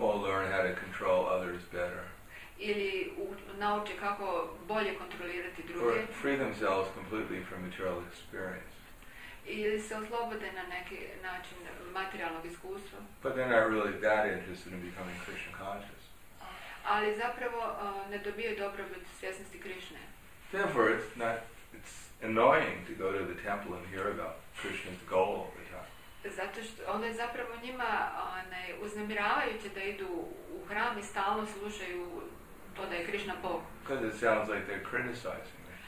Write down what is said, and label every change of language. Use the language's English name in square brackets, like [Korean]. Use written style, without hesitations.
[English] Or learn how to control others better. [Croatian] Ili nauče kako bolje kontrolirati druge. [English] Or free themselves completely from material experience. [Croatian] Ili se oslobode na neki način materijalnog iskustva. [English] But they're not really that interested in becoming Krishna conscious. [Croatian] Ali zapravo ne dobiju dobrobit svjesnosti Krishne. [English] Therefore, it's annoying to go to the temple and hear about Krishna's goal all the time. [Croatian] Zato što onda je zapravo njima uznemiravajuće da idu u hram i stalno slušaju to da je Krishna Bog. [English] Because it sounds like they're criticizing me.